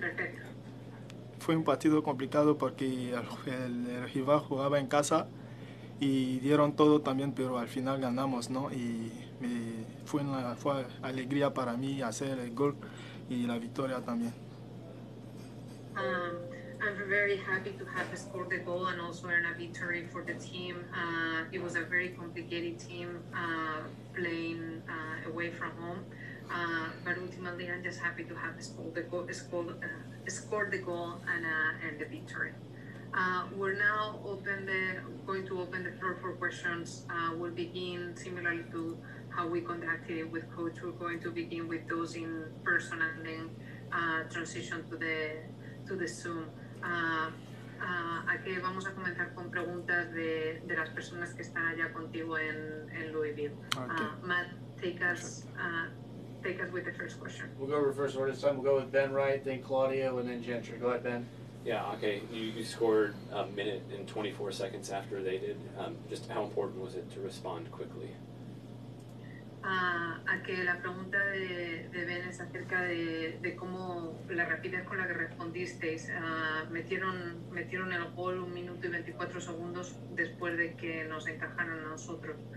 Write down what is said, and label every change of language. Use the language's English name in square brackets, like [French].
[Spanish] perfecto. Fue un partido complicado porque el rival jugaba en casa y dieron todo también, pero al final ganamos, ¿no? Y fue alegría para mí hacer el gol y la victoria también. [English] I'm very happy to have scored the goal and also earn a victory for the team. It was a very complicated team playing away from home. But ultimately, I'm just happy to have scored the goal, scored the goal and the victory. We're now going to open the floor for questions. We'll begin similarly to how we conducted it with Coach. We're going to begin with those in person and then transition to the Zoom. [Spanish] Aquí vamos a comenzar con preguntas de las personas que están allá contigo en Louisville. [English] Okay. Matt, [Spanish] Perfecto. [English] take us with the first question. We'll go reverse order this time. We'll go with Ben Wright, then Claudio, and then Gentry. Go ahead, Ben. Yeah, okay. You scored a minute and 24 seconds after they did. Just how important was it to respond quickly? [Spanish] A que la pregunta de Ben es acerca de cómo la rapidez con la que respondisteis. Metieron el gol 1 minuto y 24 segundos después de que nos encajaron a nosotros.